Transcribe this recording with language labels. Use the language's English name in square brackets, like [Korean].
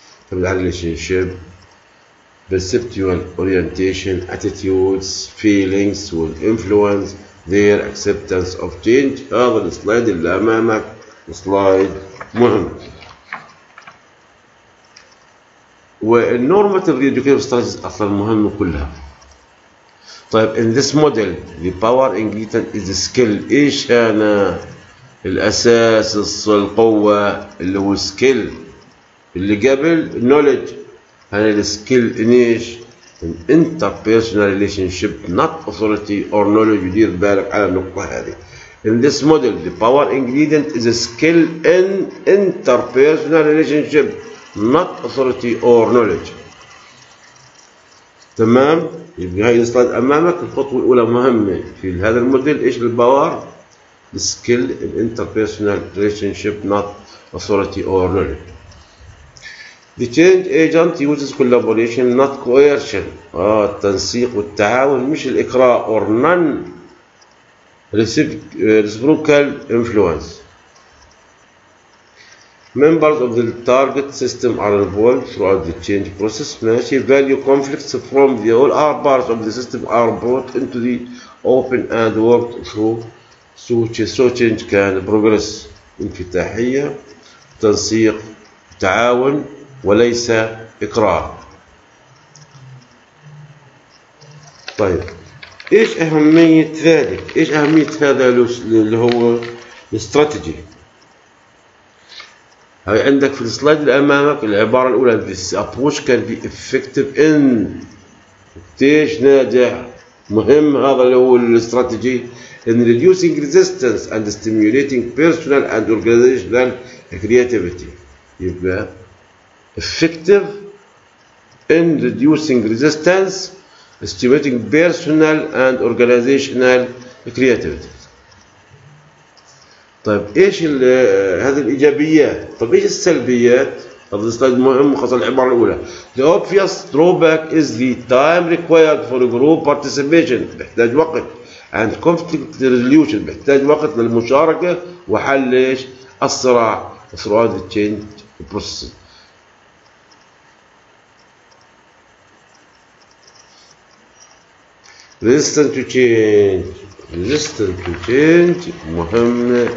[English] Relationship, perceptual orientation, attitudes, feelings will influence their acceptance of change. [Arabic] هذا السلايد اللي امامك سلايد مهم. والنورماتيف ريدوكتيف ستراتيجيز اصلا مهم كلها. [English] طيب in this model the power ingredient is skill. [Arabic] ايش انا الاساس القوه اللي هو skill اللي قبل knowledge. هنا السكيل ايش؟ [English] An interpersonal relationship, not authority or knowledge. [Arabic] يدير بالك على النقطة هذه. [English] In this model, the power ingredient is a skill in interpersonal relationship, not authority or knowledge. [Arabic] تمام؟ يبقى هاي السلايد أمامك. الخطوة الأولى مهمة في هذا الموديل. إيش الباور؟ [English] The skill in interpersonal relationship, not authority or knowledge. The change agent uses collaboration not coercion. [Arabic] التنسيق والتعاون مش الإقراء [English] or non-reciprocal influence. Members of the target system are involved throughout the change process. [Arabic] ماشي. [English] Value conflicts from the all our parts of the system are brought into the open and worked through. So change can progress. [Arabic] انفتاحية، تنسيق، تعاون وليس إقرار. طيب إيش أهمية ذلك؟ إيش أهمية هذا اللي هو الاستراتيجي؟ هاي عندك في السلايد اللي أمامك العبارة الأولى [English] This approach can be effective in. [Arabic] إيش ناجح؟ مهم هذا اللي هو الاستراتيجي. [English] In reducing resistance and stimulating personal and organizational creativity. يبقى effective in reducing resistance, stimulating personal and organizational creativity. [Arabic] طيب ايش هذه الايجابيات؟ طيب ايش السلبيات؟ هذا السلايد مهم خاصة العبارة الأولى. [English] The obvious drawback is the time required for group participation. [Arabic] بحتاج وقت. [English] And conflict resolution. [Arabic] بحتاج وقت للمشاركة وحل ايش؟ الصراع. [English] Throughout the change process. resistance to change [Arabic] مهم.